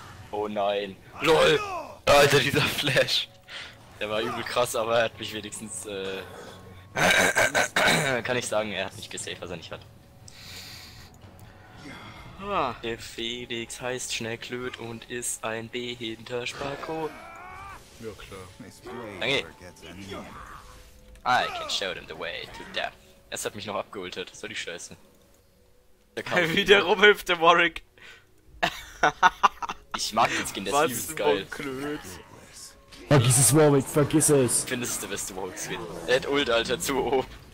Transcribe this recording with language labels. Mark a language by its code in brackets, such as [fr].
[de] Oh nein. LOL! Alter, dieser Flash. Der war übel krass, aber er hat mich wenigstens kann ich sagen, er hat mich gesaved, was er nicht hat. Der Felix heißt Schnecklöt und ist ein Behinderspacko. Ja klar. Danke. [en] I can show them the way to death. [de] Es hat mich noch abgeultet, so die Scheiße. Der Kampf wie der rumhüpft, der Warwick. Ich mag den Skin, der ist übelst geil. Vergiss es, Warwick, vergiss es. Findest du der beste Warwick-Skin? Der hat Ult, Alter, zu OP.